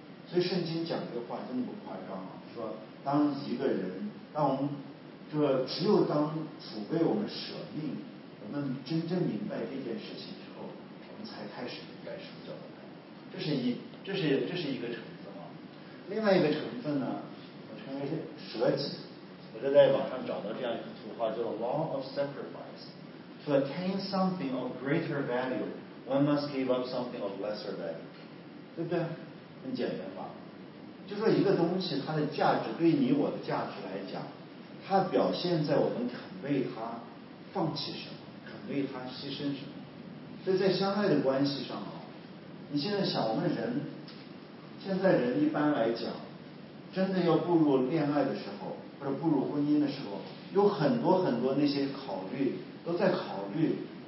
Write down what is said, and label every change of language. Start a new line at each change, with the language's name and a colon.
Chinese: 所以圣经讲这个话真的不夸张啊，说当一个人，当我们这只有当主为我们舍命，我们真正明白这件事情之后，我们才开始明白什么叫爱。这是一个成分啊。另外一个成分呢，我称为舍己。我就在网上找到这样一幅画，叫做 Law of Sacrifice.
English: To attain something of greater value, one must give up something of lesser value.
Chinese: 对不对？很简单吧，就说一个东西它的价值，对你我的价值来讲，它表现在我们肯为它放弃什么，肯为它牺牲什么。所以在相爱的关系上啊，你现在想，我们人现在人一般来讲，真的要步入恋爱的时候，或者步入婚姻的时候，有很多很多那些考虑都在考虑